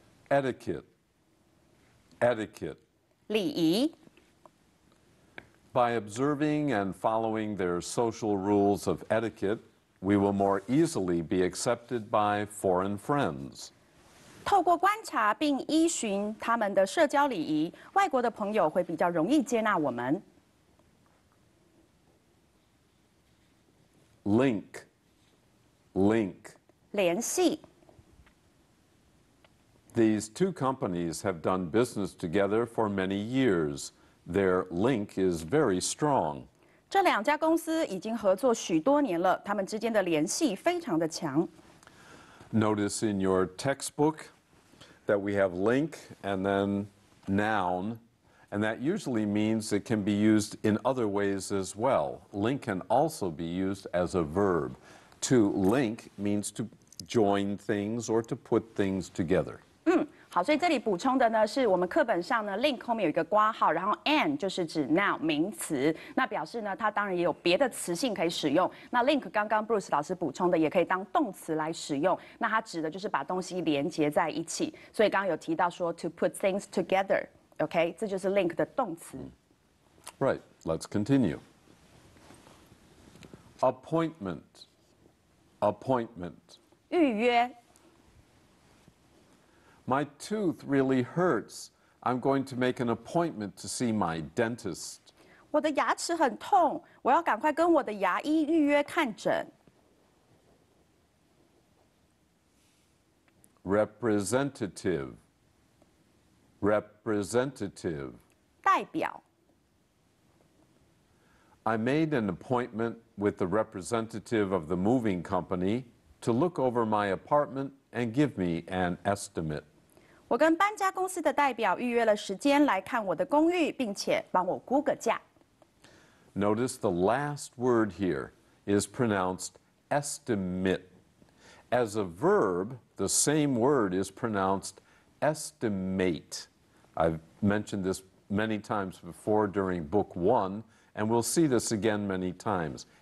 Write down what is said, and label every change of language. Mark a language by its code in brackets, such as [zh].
[en] Etiquette, etiquette. [zh] 礼仪 [en] By observing and following their social rules of etiquette,We will more easily be accepted by foreign friends. [zh] 透过观察并依循他们的社交礼仪，外国的朋友会比较容易接纳我们。 [en] Link, link. [zh] 联系。 [en] These two companies have done business together for many years. Their link is very strong. [zh] 这两家公司已经合作许多年了，他们之间的联系非常的强。 [en] Notice in your textbook that we have link and then noun, and that usually means it can be used in other ways as well. Link can also be used as a verb. To link means to join things or to put things together. [zh] 嗯，好，所以这里补充的呢，是我们课本上呢 ，link 后面有一个括号，然后 and 就是指 noun 名词，那表示呢，它当然也有别的词性可以使用。那 link 刚刚 Bruce 老师补充的，也可以当动词来使用，那它指的就是把东西连接在一起。所以刚刚有提到说 to put things together， OK， 这就是 link 的动词。 [en] Right， let's continue. Appointment， appointment， [zh] 预约。 [en] My tooth really hurts. I'm going to make an appointment to see my dentist. [zh] 我的牙齿很痛，我要赶快跟我的牙医预约看诊。 [en] Representative. Representative. [zh] 代表。 [en] I made an appointment with the representative of the moving company to look over my apartment and give me an estimate. [zh] 我跟搬家公司的代表预约了时间来看我的公寓，并且帮我估个价。 [en] Notice the last word here is pronounced estimate. As a verb, the same word is pronounced estimate. I've mentioned this many times before during book one, and we'll see this again many times.